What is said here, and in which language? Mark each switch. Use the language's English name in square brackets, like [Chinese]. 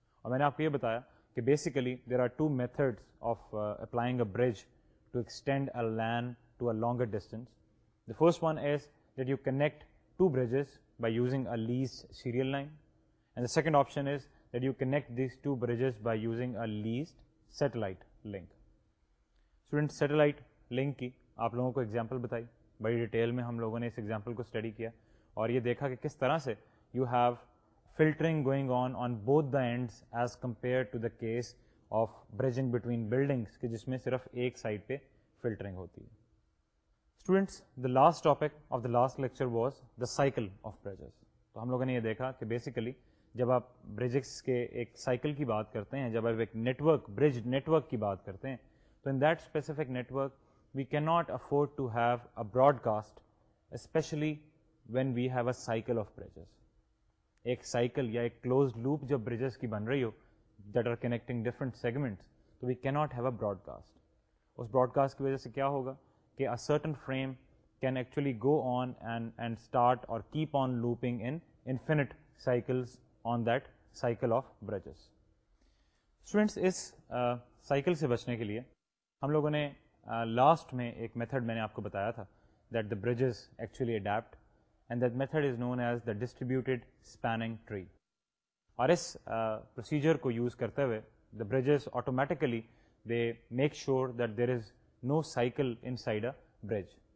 [Urdu] Aur maine aapko ye bataya [English] basically there are two methods of applying a bridge to extend a LAN to a longer distance. The first one is that you connect two bridges by using a leased serial line, and the second option is that you connect these two bridges by using a leased satellite link. Students, satellite link ki [Urdu] آپ لوگوں کو example بتائی, بڑی detail میں ہم لوگوں نے اس example کو اسٹڈی کیا اور یہ دیکھا کہ کس طرح سے [English] you have filtering going on both the ends as compare to the case of bridging between buildings, [Urdu] کہ جس میں صرف ایک سائڈ پہ فلٹرنگ ہوتی ہے. [English] Students, the last topic of the last lecture was the cycle of bridges. [Urdu] تو ہم لوگوں نے یہ دیکھا کہ بیسیکلی جب آپ بریجز کے ایک سائیکل کی بات کرتے ہیں, جب آپ ایک نیٹورک برج نیٹورک کی بات کرتے ہیں, تو [English] In that specific network we can not afford to have a broadcast especially when we have a cycle of bridges. [Urdu] ایک سائیکل یا ایک کلوزڈ لوپ جب بریجز کی بن رہی ہو [English] that are connecting different segments, [Urdu] تو [English] We can not have a broadcast. [Urdu] اس Broad cost کی وجہ سے کیا ہوگا کہ [English] A certain frame can actually go on and start اور keep on looping infinite cycles on that cycle of bridges. [Urdu] Students, اس cycle سے بچنے کے لیے ہم لوگوں نے لاسٹ میں ایک میتھڈ میں نے آپ کو بتایا تھا, [English] That the bridges actually adapt, and that method is known as the distributed spanning tree. [Urdu] اور اس پروسیجر کو یوز کرتے ہوئے [English] The bridges automatically they make sure that there is no cycle inside a bridge.